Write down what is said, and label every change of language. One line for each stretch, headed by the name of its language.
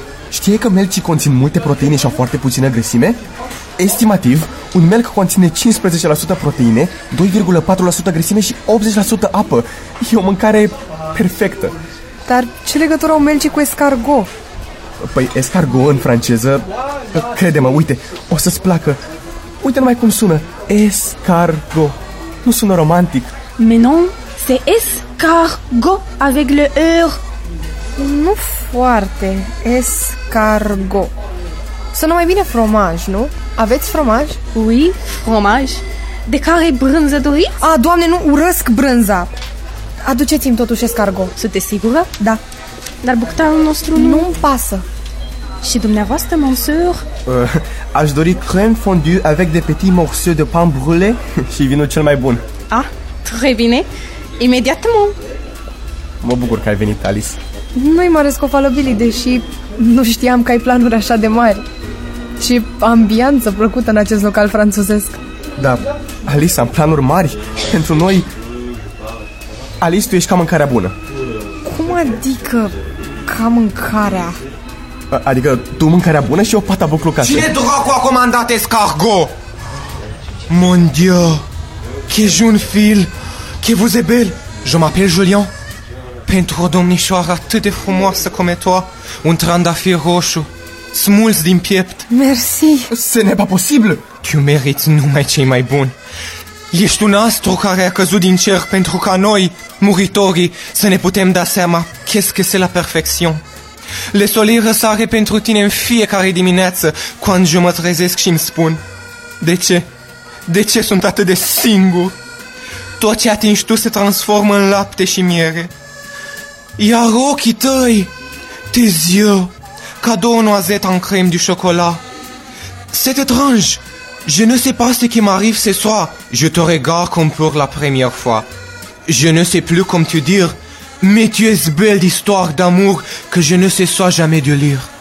Romanian: Știi că melcii conțin multe proteine și au foarte puțină grăsime? Estimativ, un melc conține 15% proteine, 2,4% grăsime și 80% apă. E o mâncare perfectă. Dar ce legătură au melcii cu escargot? Păi escargot în franceză, crede-mă, uite, o să-ți placă. Uite numai cum sună. Escargot. Nu sună romantic.
French: Mais non, c'est escargot avec le R.
Romanian: Nu foarte. Escargot. Sună mai bine fromaj, nu? Aveți fromaj?
French: Oui,
Romanian: fromaj. De care brânză doriți? A, Doamne, nu, urăsc brânza. Aduceți-mi totuși escargot. Sunteți sigură? Da. Dar buctarul nostru nu... Nu-mi pasă. Și dumneavoastră, monsieur? Aș dori
French: crème fondue avec des petits morceaux de pain brûlé
Romanian: și vinul cel mai bun. Ah, très bine. Imediatement. Mă bucur că ai venit, Alice. Nu-i mare scofală, Billy, deși nu știam că ai planuri așa de mari. Ce ambianță plăcută în acest local franțuzesc. Da, Alice, am planuri mari pentru noi. Alice, tu ești ca mâncarea bună. Cum adică ca mâncarea? Adică tu mâncarea bună și o pata buclucată. Cine dracu a comandat escargot?
French: Mon Dieu, que jeune fille, que vous êtes belle. Je m'appelle Julien.
Romanian: Pentru o domnișoară atât de frumoasă cum e toa, un trandafir roșu, smuls din piept.
French: Merci. Ce n'est pas possible.
Romanian: Tu meriți numai cei mai buni. Ești un astru care a căzut din cer pentru ca noi, muritorii, să ne putem da seama
French: qu'est-ce que c'est la perfection. Le soleil
Romanian: răsare pentru tine în fiecare dimineață, când je mă trezesc și îmi spun: de ce? De ce sunt atât de singur? Tot ce atingi tu se transformă în lapte și miere. Iar ochii tăi,
French: tes yeux,
Romanian: ca două noazete în
French: creme de chocolat. C'est étrange, je ne sais pas ce qui m'arrive ce soir. Je te regarde comme pour la première fois. Je ne sais plus comment te dire, Mais tu es belle d'histoire d'amour que je ne cesse jamais de lire.